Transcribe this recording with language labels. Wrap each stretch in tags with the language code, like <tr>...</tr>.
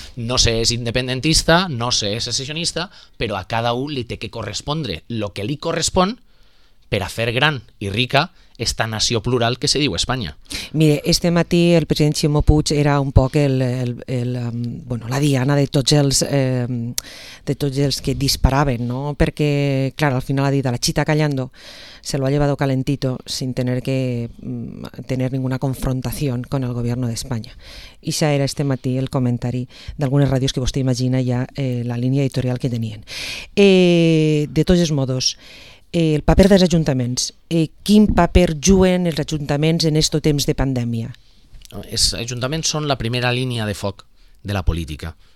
<ca>No sé si és independentista, no sé si és secessionista, però a cada un li té que correspondre el que li correspon per a fer gran i rica esta nació plural que se diu Espanya. Mire, este matí el president Ximo Puig era un poc la diana de tots els que disparaven, no? Perquè, clar, al final ha dit</ca> <es>a la chita callando, se lo ha llevado calentito sin tener que tener ninguna confrontación con el gobierno de España.</es> <ca>I això era este matí el comentari d'algunes ràdios que vostè imagina ja la línia editorial que tenien. De tots els modos, el paper dels ajuntaments. Quin paper juguen els ajuntaments en aquest temps de pandèmia? Els ajuntaments són la primera línia de foc de la política.</ca>